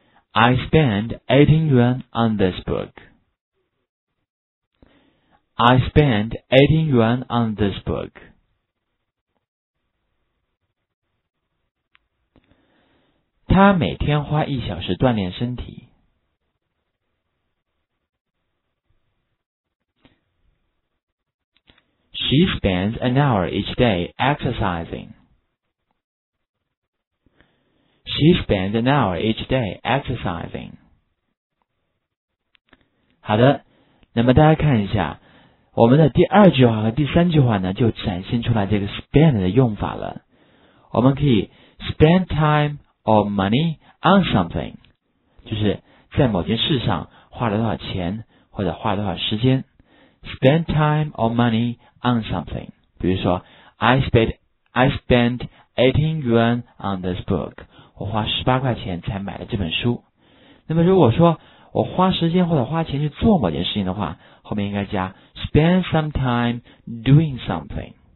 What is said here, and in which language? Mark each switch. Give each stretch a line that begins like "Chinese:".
English: I spend 18 yuan on this book. I spend 18 yuan on this book.
Chinese: 他每天花一小时锻炼身体。
English: She spends an hour each day exercising. She spends an hour each day exercising.
Chinese: 好的，那么大家看一下，我们的第二句话和第三句话呢，就展现出来这个 spend 的用法了。我们可以
English: spend time or money on something，
Chinese: 就是在某件事上花了多少钱或者花了多少时间。
English: Spend time or money on something，
Chinese: 比如说
English: I spent 18 yuan on this book，
Chinese: 我花18块钱才买了这本书。那么如果说我花时间或者花钱去做某件事情的话，后面应该加
English: spend some time doing something。